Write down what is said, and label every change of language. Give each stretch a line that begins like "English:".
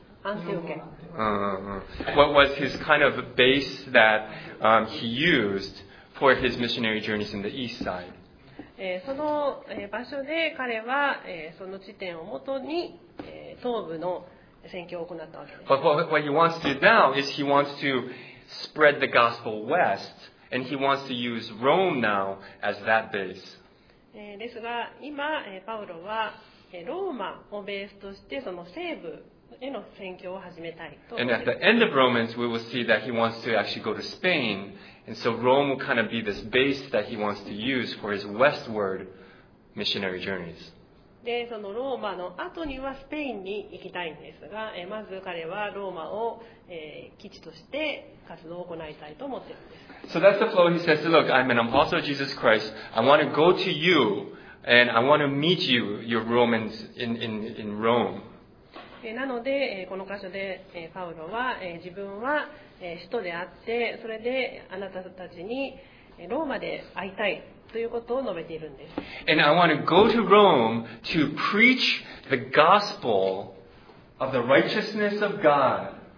English: What was his kind of base that he used for his missionary journeys in the east side?
Japanese: その場所で彼はその地点をもとに東部の宣教を行ったわけです。
English: But what he wants to do now is he wants to spread the gospel west, and he wants to use Rome now as that base.
Japanese: ですが、今パウロはローマをベースとしてその西部への宣教を始めたいと。
English: And at the end of Romans, we will see that he wants to actually go to Spain, and so Rome will kind of be this base that he wants to use for his westward missionary journeys.
Japanese: で、そのローマの後にはスペインに行きたいんですが、まず彼はローマを、基地として活動を行いたいと思っているんです。
English: So that's the flow. He says, look, I'm an apostle of Jesus Christ. I want to go to you and I want to meet you, your Romans in Rome.
Japanese: なので、この箇所で、パウロは、自分は、使徒であって、それであなたたちに、ローマで会いたい。ということを述べているんです。
English: And I want to go to Rome to preach the gospel of the righteousness of God.